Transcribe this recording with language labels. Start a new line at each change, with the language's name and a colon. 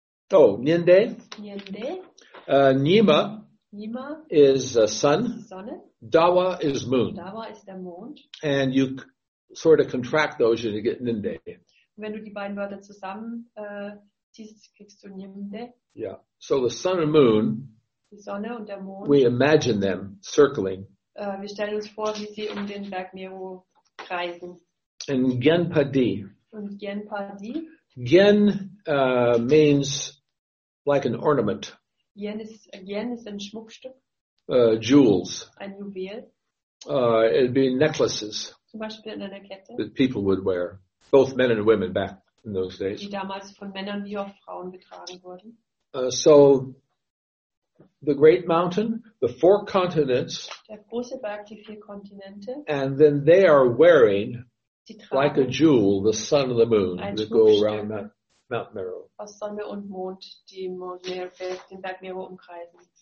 English: Oh, Niende. Niende. Nima. Nima is sun.
German: Sonne.
English: Dawa is moon.
German: Dawa ist der Mond.
English: And you sort of contract those and you get Niende.
German: Wenn du die beiden Wörter zusammen ziehst, kriegst du Niende.
English: Yeah. So the sun and moon.
German: Die Sonne und der Mond.
English: We imagine them circling.
German: Wir stellen uns vor, wie sie um den Berg Meru kreisen.
English: And Genpadi.
German: Und Genpadi.
English: Gen means like an ornament.
German: Gen ist ein Schmuckstück.
English: Jewels.
German: Ein Juwel.
English: It'd be necklaces.
German: Zum Beispiel in einer Kette.
English: That people would wear, both men and women back in those days.
German: Die damals von Männern wie auch Frauen getragen wurden.
English: So the great mountain, the four continents.
German: Der große Berg, die vier Kontinente.
English: And then they are wearing like a jewel, the sun and the moon that go around Mount Meru.
German: Aus Sonne und Mond, die den Berg Meru umkreisen.